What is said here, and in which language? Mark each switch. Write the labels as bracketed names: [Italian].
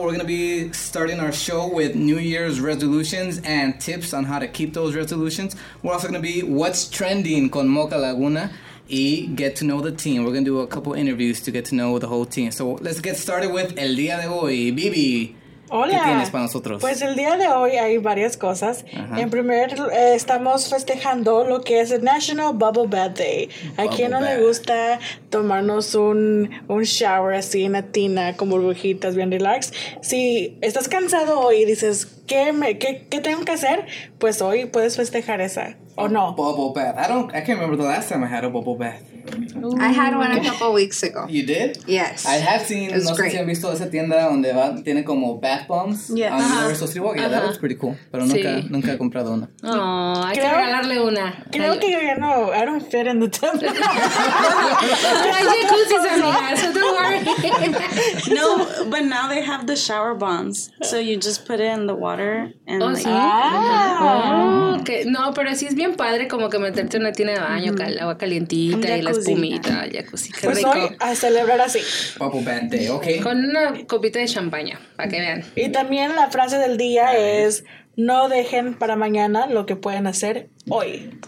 [English] We're going to be starting our show with New Year's resolutions and tips on how to keep those resolutions. We're also going to be What's Trending [Spanish] con [English] Mocha Laguna y get to know the team. We're going to do a couple interviews to get to know the whole team. So let's get started with [Spanish] el día de hoy. [English] Bibi, [Spanish] hola. ¿Qué tienes para nosotros? Pues el día de hoy hay varias cosas. Uh-huh. En primer, estamos festejando lo que es el National Bubble Bath Day. ¿A quién no le gusta tomarnos un shower así en la tina con burbujitas bien relax? Si estás cansado hoy y dices, ¿qué tengo que hacer? Pues hoy puedes festejar esa. ¿O no? [English] Bubble bath. I can't remember the last time I had a bubble bath. Ooh. I had one a couple weeks ago. You did? Yes. I have seen, [Spanish] no sé si han visto esa tienda donde va, tiene como bath bombs. [English] Yes. On Universal Street Walk. Yeah, that looks pretty cool. [Spanish] Pero nunca he comprado una. Oh, hay que regalarle una. Creo que yo ya no, [English] I don't fit in the temple. [Spanish] Hay jacuzzis, amiga, [English] so don't worry. No, but now they have the shower bombs. So you just put it in the water. And oh, like, [Spanish] sí. Ah. [English] Oh, okay. [Spanish] No, pero sí es bien padre como que meterte en una tina de baño, agua calientita y la espumita, jacuzzi. Pues rico. Hoy a celebrar así. [English] Bubble bath day, okay. [Spanish] Con una copita de champaña, para que vean. Y también la frase del día es, no dejen para mañana lo que pueden hacer hoy.